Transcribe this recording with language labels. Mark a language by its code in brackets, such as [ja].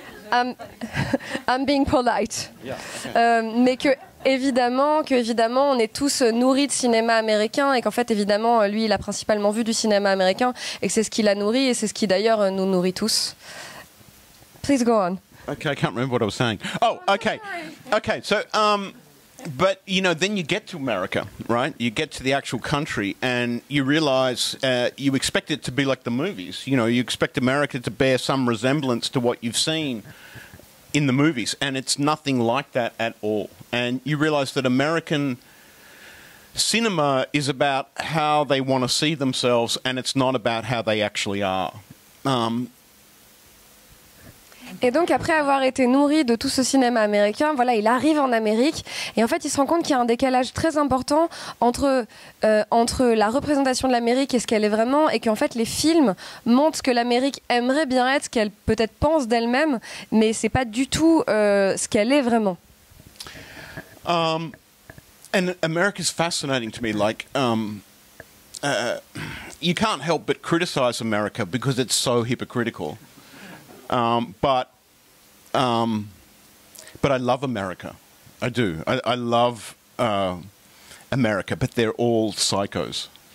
[en] I'm being polite. [fr] Mais qu'évidemment, on est tous nourris de cinéma américain et qu'en fait, évidemment, lui, il a principalement vu du cinéma américain et que c'est ce qui l'a nourri et c'est ce qui d'ailleurs nous nourrit tous. [en] Please go on. Okay, I can't remember what I was saying. Oh, okay. Okay, so, but, you know, then you get to America, right? You get to the actual country and you realize you expect it to be like the movies. You know, you expect America to bear some resemblance to what you've seen in the movies. And it's nothing like that at all. And you realize that American cinema is about how they want to see themselves and it's not about how they actually are. [fr] Et donc, après avoir été nourri de tout ce cinéma américain, voilà, il arrive en Amérique et en fait, il se rend compte qu'il y a un décalage très important entre la représentation de l'Amérique et ce qu'elle est vraiment, et qu'en fait, les films montrent ce que l'Amérique aimerait bien être, ce qu'elle peut-être pense d'elle-même, mais c'est pas du tout ce qu'elle est vraiment. [en] And America is fascinating to me. Like, you can't help but criticize America because it's so hypocritical. But I love America. I do. I love America, but they're all psychos.